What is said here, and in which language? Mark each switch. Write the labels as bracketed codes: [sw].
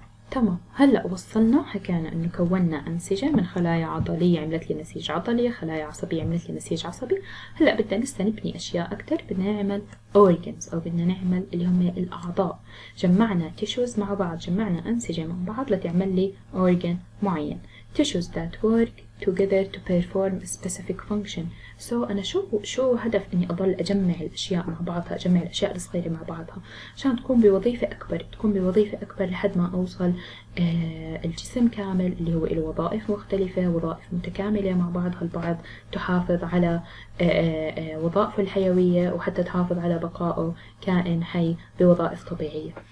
[ar] تمام، هلأ وصلنا، حكينا أنه كوننا أنسجة من خلايا عضلية عملت لي نسيج عضلي، خلايا عصبية عملت لي نسيج عصبي. هلأ بدنا لسه نبني أشياء أكتر، بدنا نعمل organs أو بدنا نعمل اللي هم الأعضاء. جمعنا tissues مع بعض، جمعنا أنسجة مع بعض لتعمل لي organ معين. [en] tissues that work together to perform a specific function. [ar] So أنا شو هدف إني أضل أجمع الأشياء مع بعضها، أجمع الأشياء الصغيرة مع بعضها عشان تكون بوظيفة أكبر، تكون بوظيفة أكبر لحد ما أوصل الجسم كامل اللي هو له وظائف مختلفة، وظائف متكاملة مع بعضها البعض، تحافظ على وظائفه الحيوية وحتى تحافظ على بقائه كائن حي بوظائف طبيعية.